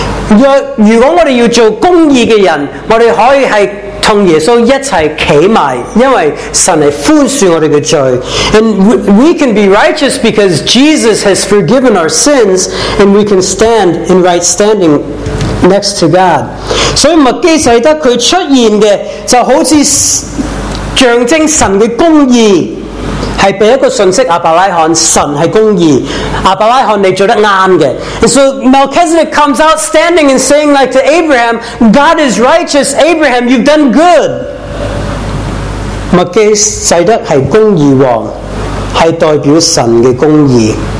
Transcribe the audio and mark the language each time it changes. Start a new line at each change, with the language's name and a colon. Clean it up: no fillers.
Chinese: 如果我们要做公义的人，我们可以是跟耶稣一起站起来，因为神是宽恕我们的罪。
English: And we can be righteous because Jesus has forgiven our sins, and we can stand in right standing next to God.
Chinese: 所以麦基洗德他出现的就好像象征神的公义。是给一个讯息，亚伯拉罕，神是公义，亚伯拉罕你做得对的。
English: And so Melchizedek comes out standing and saying like to Abraham, God is righteous, Abraham, you've done good.
Chinese: 麦基洗德是公义王，是代表神的公义。